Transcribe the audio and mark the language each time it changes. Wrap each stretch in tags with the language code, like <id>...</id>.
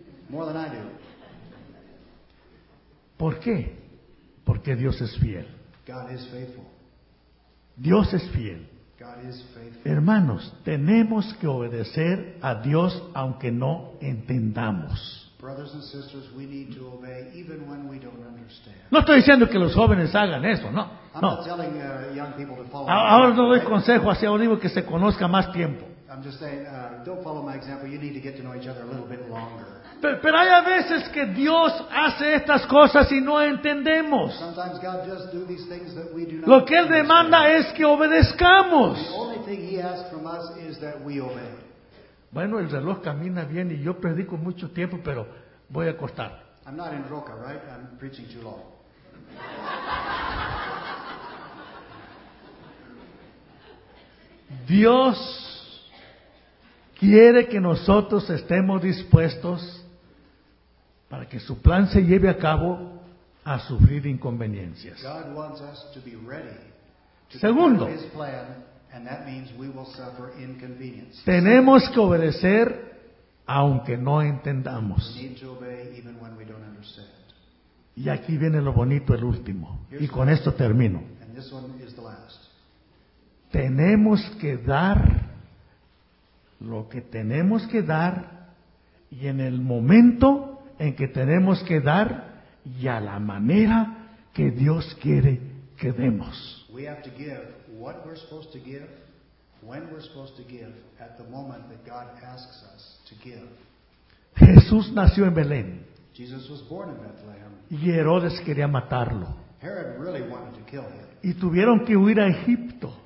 <en>More than I do.</en> <es>¿Por qué? Porque Dios es fiel.</es> <en>God is faithful.</en> <es>Dios es fiel.</es> <en>God is faithful.</en> <es>Hermanos, tenemos que obedecer a Dios aunque no entendamos.</es> <en>Brothers and sisters, we need to obey even when we don't understand.</en> <es>No estoy diciendo que los jóvenes hagan eso, no.</es> <en>I'm not telling young people to follow.</en> <es>Ahora no doy consejo, así ahora digo que se conozca más tiempo.</es> <en>I'm just saying, don't follow my example. You need to get to know each other a little bit longer.</en> <es>Pero hay a veces que Dios hace estas cosas y no entendemos.</es> <en>Sometimes God just do these things that we do not.</en> <es>Lo que Él demanda es que obedezcamos.</es> <en>The only thing He asks from us is that we obey.</en> <es>Bueno, el reloj camina bien y yo predico mucho tiempo, pero voy a cortar.</es> <en>I'm not in Roca, right? I'm preaching too long.</en> <es>Dios quiere que nosotros estemos dispuestos para que su plan se lleve a cabo a sufrir inconveniencias.</es> <en>God wants us to be ready to</en> <es>Segundo,</es> <en>his plan, and that means we will suffer inconvenience.</en> <es>Tenemos que obedecer aunque no entendamos.</es> <en>We need to obey even when we don't understand.</en> <es>Y aquí viene lo bonito, el último.</es> <en>Here's</en> <es>y con esto termino.</es> <en>And this one is the last.</en> <es>Tenemos que dar lo que tenemos que dar y en el momento en que tenemos que dar y a la manera que Dios quiere que demos.</es> <en>We have to give what we're supposed to give, when we're supposed to give, at the moment that God asks us to give.</en> <es>Jesús nació en Belén.</es> <en>Jesus was born in Bethlehem.</en> <es>Y Herodes quería matarlo.</es> <en>Herod really wanted to kill him.</en> <es>Y tuvieron que huir a Egipto.</es>